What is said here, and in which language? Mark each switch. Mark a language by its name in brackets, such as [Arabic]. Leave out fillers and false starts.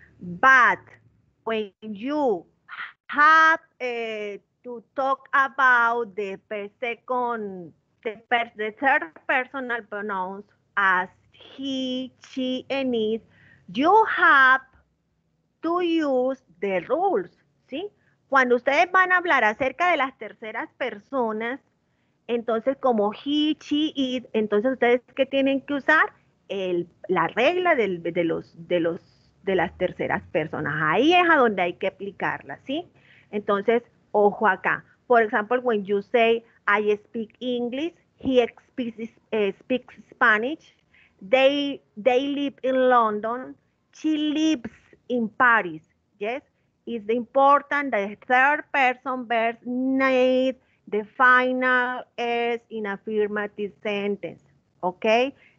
[English] But when you have to talk about the third personal pronouns as he, she, and it, you have to use the rules, ¿sí? [Spanish] Cuando ustedes van a hablar acerca de las terceras personas, entonces, como he, she, it, entonces ustedes que tienen que usar la regla de las terceras personas. Ahí es a donde hay que aplicarla, ¿sí? Entonces, ojo acá. [English] For example, when you say I speak English, he speaks Spanish, they live in London, she lives in Paris, yes? It's important that the third person verb need the final is in affirmative sentence, okay?